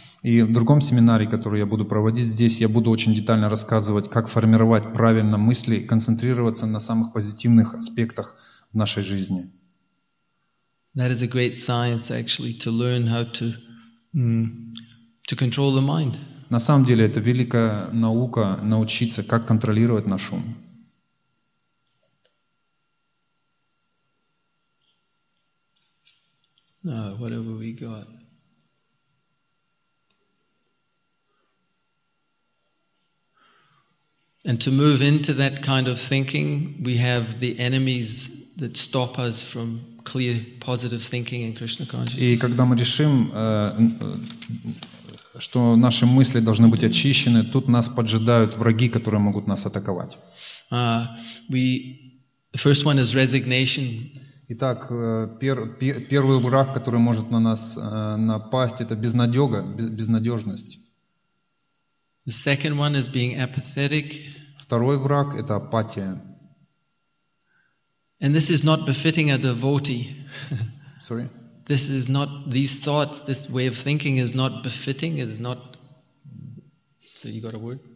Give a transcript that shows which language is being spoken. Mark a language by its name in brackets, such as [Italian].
[Russian] И в другом семинаре, который я буду проводить здесь, я буду очень детально рассказывать, как формировать правильно мысли, концентрироваться на самых позитивных аспектах в нашей жизни. [English] That is a great science, actually, to learn how to control the mind. [Russian] На самом деле, это великая наука научиться, как контролировать наш ум. [English] Whatever we got. And to move into that kind of thinking, we have the enemies that stop us from clear positive thinking in Krishna consciousness. [Russian] И когда мы решим, что наши мысли должны быть очищены, тут нас поджидают враги, которые могут нас атаковать. [English] The first one is resignation. [Russian] Итак, первый враг, который может на нас напасть, это безнадега, безнадежность. [English] The second one is being apathetic. [Russian] Второй враг – это апатия. [English] And this is not befitting a devotee. Sorry. This is not these thoughts. This way of thinking is not befitting. It is not. So you got a word?